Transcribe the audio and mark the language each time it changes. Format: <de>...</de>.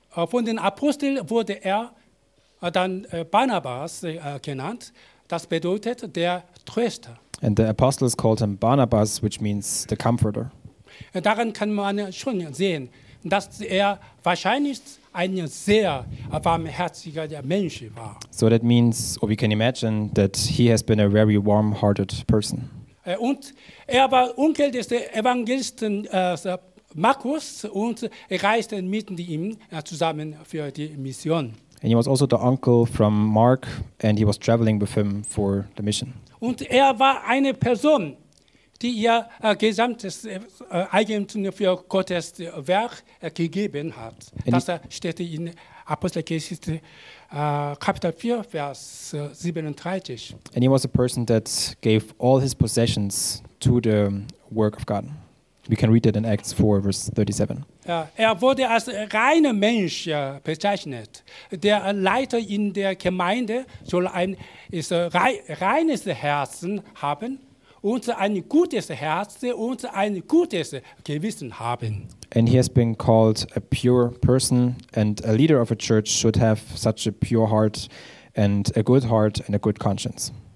<de>Von den Aposteln wurde er dann Barnabas genannt, das bedeutet der Tröster.</de> <en>And the apostles called him Barnabas, which means the comforter.</en> <de>Daran kann man schon sehen, dass er wahrscheinlich ein sehr warmherziger Mensch war.</de> <en>So that means, or we can imagine, that he has been a very warm-hearted person.</en> <de>Und er war Onkel des Evangelisten Markus und reiste mit ihm zusammen für die Mission.</de> <en>And he was also the uncle from Mark, and he was traveling with him for the mission.</en> <de>Und er war eine Person, die ihr gesamtes Eigentum für Gottes Werk gegeben hat.</de> <en>And</en> <de>das steht in Apostelgeschichte Kapitel 4, Vers 37.</de> <en>And he was a person that gave all his possessions to the work of God. We can read it in Acts 4, verse 37.</en> <de>Er wurde als reiner Mensch bezeichnet. Der Leiter in der Gemeinde soll ein reines Herzen haben und ein gutes Herz und ein gutes Gewissen haben.</de> <en>And he has been called a pure person, and a leader of a church should have such a pure heart and a good heart and a good conscience.</en>